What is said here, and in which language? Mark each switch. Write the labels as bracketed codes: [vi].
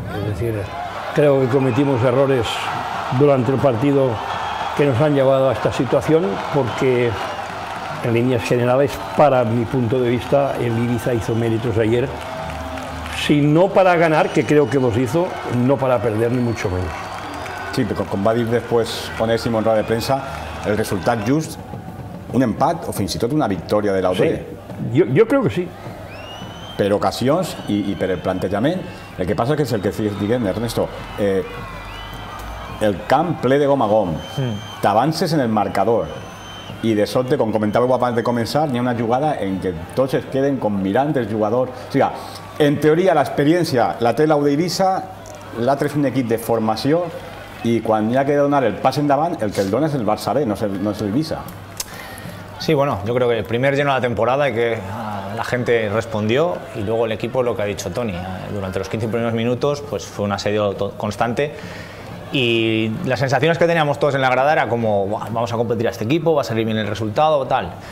[es] Es decir, creo que cometimos errores durante el partido que nos han llevado a esta situación, porque en líneas generales, para mi punto de vista, el Ibiza hizo méritos ayer, si no para ganar, que creo que los hizo, no para perder, ni mucho menos. Sí, pero como va a decir después Onésimo en rueda de prensa, el resultado just, [ca] un empat o fins i tot una victòria [es] de l'AUB. [ca] Sí. Jo crec que sí. Per ocasions i per el plantejament. El que passa és el que diguem, Ernesto, el camp ple de gom a gom, t'avances en el marcador i de sobte, com comentàveu abans de començar, hi ha una jugada en què tots es queden com mirant el jugador. O sigui, en teoria l'experiència la té l'AUB d'Eivissa, l'altre és un equip de formació i quan hi ha que donar el pas endavant, el que el dona és el Barça B, no és l'Eivissa. [es] Sí, bueno, yo creo que el primer lleno de la temporada y que la gente respondió, y luego el equipo, lo que ha dicho Toni, durante los 15 primeros minutos pues fue un asedio constante y las sensaciones que teníamos todos en la grada era como, vamos a competir a este equipo, va a salir bien el resultado, tal.